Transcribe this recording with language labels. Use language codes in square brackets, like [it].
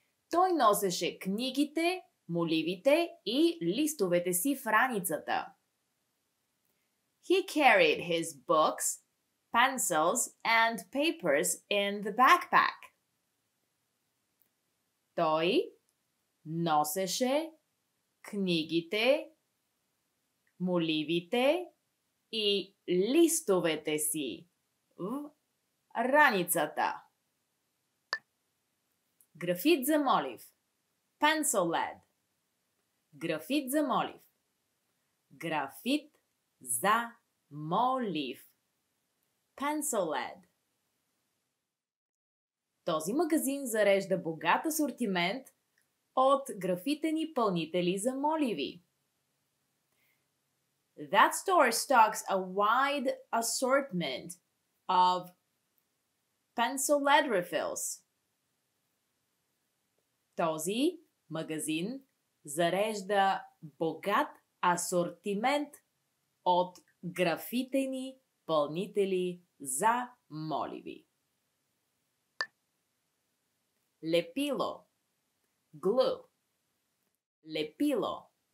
[bg] Той носеше книгите, моливите и листовете си в раницата. [en] He carried his books, pencils and papers in the backpack. [bg] Той носеше книгите, моливите и листовете си в раницата. Графит за молив. [en] Pencil lead. [bg] Графит за молив. Графит за молив. [en] Pencil lead. [bg] Този магазин зарежда богат асортимент от графитени пълнители за моливи. [en] That store stocks a wide assortment of pencil lead refills. [bg] Този магазин зарежда богат асортимент от графитени пълнители за моливи. Лепило. [en] Глу. [bg] Лепило.